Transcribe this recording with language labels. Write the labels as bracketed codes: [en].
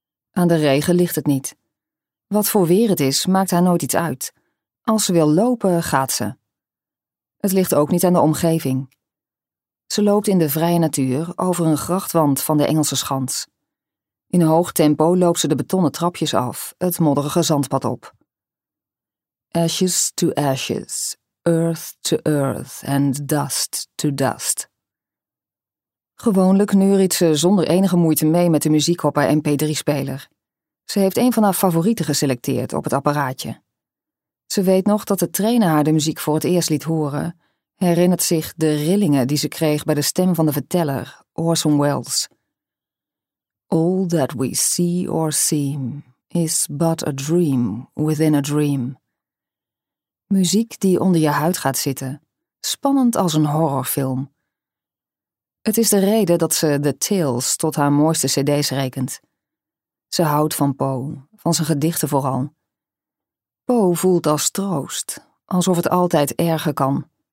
[nl] Aan de regen ligt het niet. Wat voor weer het is, maakt haar nooit iets uit. Als ze wil lopen, gaat ze. Het ligt ook niet aan de omgeving. Ze loopt in de vrije natuur over een grachtwand van de Engelse Schans. In hoog tempo loopt ze de betonnen trapjes af, het modderige zandpad op. [en] Ashes to ashes, earth to earth and dust to dust. [nl] Gewoonlijk neuriet ze zonder enige moeite mee met de muziek op haar mp3-speler. Ze heeft een van haar favorieten geselecteerd op het apparaatje. Ze weet nog dat de trainer haar de muziek voor het eerst liet horen, herinnert zich de rillingen die ze kreeg bij de stem van de verteller, Orson Welles. [en] All that we see or seem is but a dream within a dream. [nl] Muziek die onder je huid gaat zitten, spannend als een horrorfilm. Het is de reden dat ze The Tales tot haar mooiste cd's rekent. Ze houdt van Poe, van zijn gedichten vooral. Poe voelt als troost, alsof het altijd erger kan.